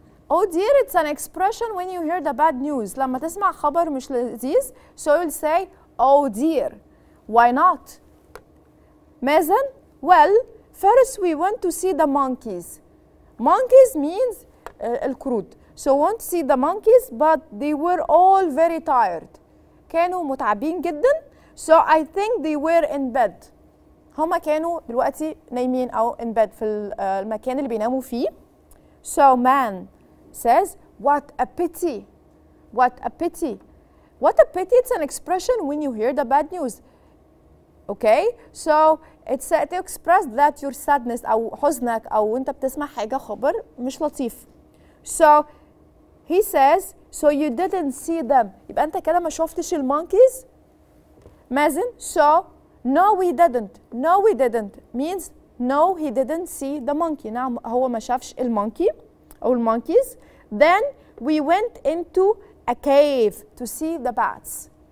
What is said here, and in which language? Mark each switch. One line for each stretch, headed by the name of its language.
English: Oh, dear, it's an expression when you hear the bad news.
Arabic: لما تسمع خبر مش لذيذ,
English: so you'll say, oh, dear. Why not? Mazen, well, first we want to see the monkeys. Monkeys means القرود. So we want to see the monkeys, but they were all very tired.
Arabic: كانوا متعبين جدا.
English: So I think they were in bed.
Arabic: هما كانوا دلوقتي نايمين أو
English: in bed
Arabic: في المكان اللي بيناموا فيه.
English: So man says, what a pity. What a pity. What a pity, it's an expression when you hear the bad news. Okay, so it's to express that your sadness
Arabic: أو حزنك أو أنت بتسمع حاجة خبر مش لطيف.
English: So he says, so you didn't see them.
Arabic: يبقى أنت كده ما شفتش المونكيز؟ مازن,
English: so no we didn't. No we didn't means no he didn't see the monkey.
Arabic: نعم هو ما شافش المونكي أو المونكيز.
English: Then we went into a cave to see the bats.